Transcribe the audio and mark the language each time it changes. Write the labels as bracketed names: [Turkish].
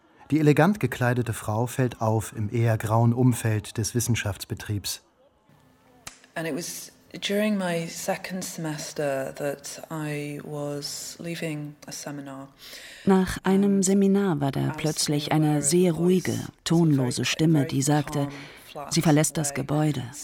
[German] Die elegant gekleidete Frau fällt auf im eher grauen Umfeld des Wissenschaftsbetriebs. [English] And it was during my second semester that I was leaving a seminar. [German] Nach einem Seminar war da plötzlich eine sehr ruhige, tonlose Stimme, die sagte, sie verlässt das Gebäude.